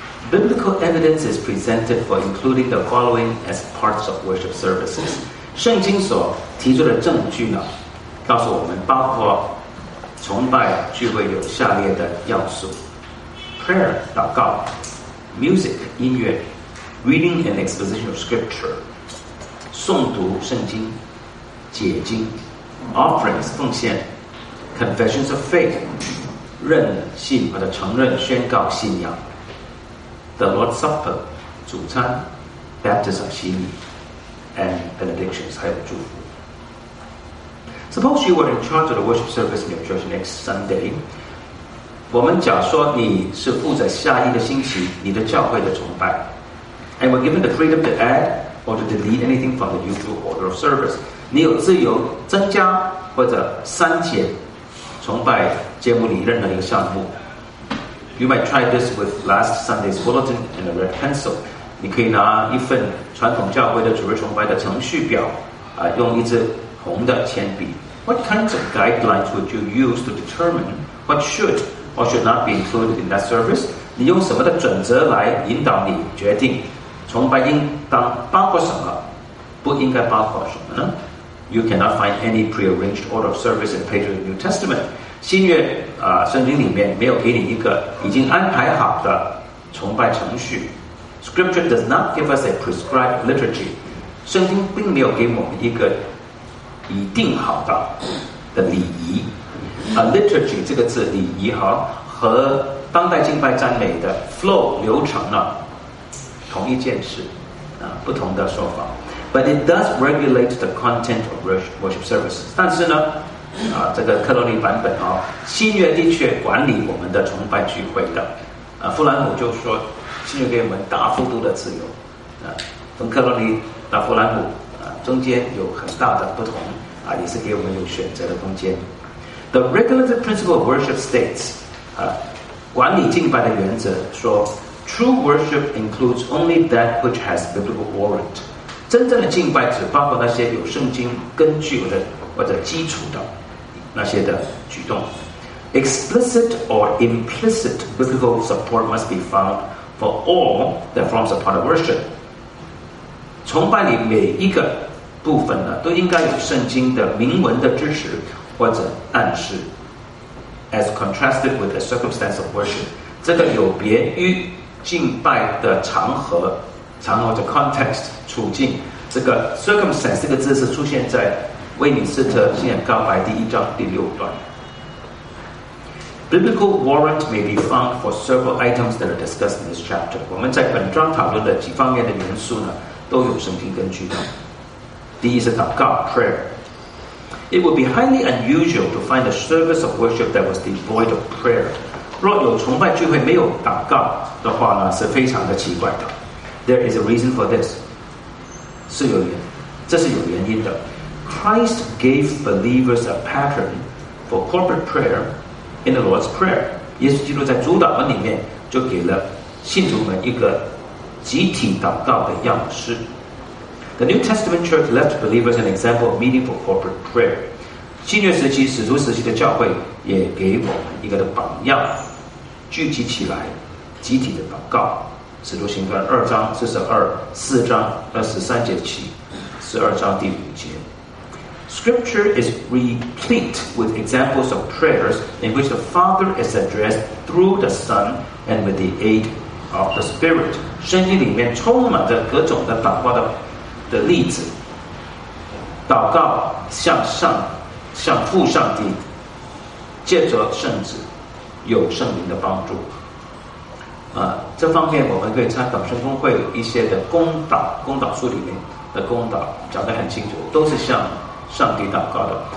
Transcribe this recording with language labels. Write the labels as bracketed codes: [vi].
[en] Biblical evidence is presented for including the following as parts of worship services. [zh] 圣经所提出的证据呢，告诉我们包括崇拜聚会有下列的要素： prayer 祷告， music 音乐， [en] reading and exposition of scripture [zh] 诵读圣经，解经， offerings 奉献， [en] confessions of faith [zh] 认信或者承认宣告信仰， [en] The Lord's Supper, [zh] 主餐 ,Baptism, 洗礼 and benedictions, 还有祝福。 [en] Suppose you were in charge of the worship service in your church next Sunday. [zh] 我们假说你是负责下一个星期你的教会的崇拜。 [en] And we're given the freedom to add or to delete anything from the usual order of service. [zh] 你有自由增加或者删减崇拜节目里任何一个项目。 [en] You might try this with last Sunday's bulletin and a red pencil. [zh] 你可以拿一份传统教会的主日崇拜的程序表，用一支红的铅笔。 [en] What kinds of guidelines would you use to determine what should or should not be included in that service? [zh] 你用什么的准则来引导你决定崇拜应当包括什么，不应该包括什么呢？ [en] You cannot find any prearranged order of service in Peter's New Testament. [zh] 新约圣经里面没有给你一个已经安排好的崇拜程序。 [en] Scripture does not give us a prescribed liturgy. [zh] 圣经并没有给我们一个已定好的礼仪。 Liturgy 这个字礼仪和当代敬拜赞美的 flow 流程呢同一件事，不同的说法。 [en] But it does regulate the content of worship services. [zh] 但是呢这个克罗尼版本新约的确管理我们的崇拜聚会的。弗兰姆就说新约给我们大幅度的自由。从克罗尼到弗兰姆中间有很大的不同，也是给我们有选择的空间。 [en] The regulative principle of worship states, [zh] 管理敬拜的原则说 [en] true worship includes only that which has biblical warrant. [zh] 真正的敬拜只包括那些有圣经根据的或者基础的那些的举动。 [en] Explicit or implicit biblical support must be found for all that forms a part of worship. [zh] 崇拜里每一个部分呢都应该有圣经的明文的支持或者暗示。 [en] As contrasted with the circumstance of worship, [zh] 这个有别于敬拜的场合的 [en] context, 处境。 [zh] 这个 circumstance 这个字是出现在威敏斯特信仰告白第一章第六段。 [en] Biblical warrant may be found for several items that are discussed in this chapter. [zh] 我们在本章讨论的几方面的元素呢都有圣经根据的。第一是祷告 prayer。 [en] It would be highly unusual to find a service of worship that was devoid of prayer. [zh] 若有崇拜聚会没有祷告的话呢，是非常的奇怪的。 [en] There is a reason for this. [zh] 是有原因，这是有原因的。 [en] Christ gave believers a pattern for corporate prayer in the Lord's Prayer. [zh] 耶稣基督在主祷文里面就给了信徒们一个集体祷告的样式。 [en] The New Testament church left believers an example of meaningful corporate prayer. [zh] 新约时期、使徒时期的教会也给我们一个的榜样，聚集起来，集体的祷告。使徒行传二章四十二、四章二十三节起，十二章第五节。 [en] Scripture is replete with examples of prayers in which the Father is addressed through the Son and with the aid of the Spirit. [zh] 圣经里面充满着各种的祷告的。的例子，祷告向上，向父上帝，借着圣子，有圣灵的帮助。啊，这方面我们可以参考圣公会一些的公祷，公祷书里面的公祷讲得很清楚，都是向上帝祷告的。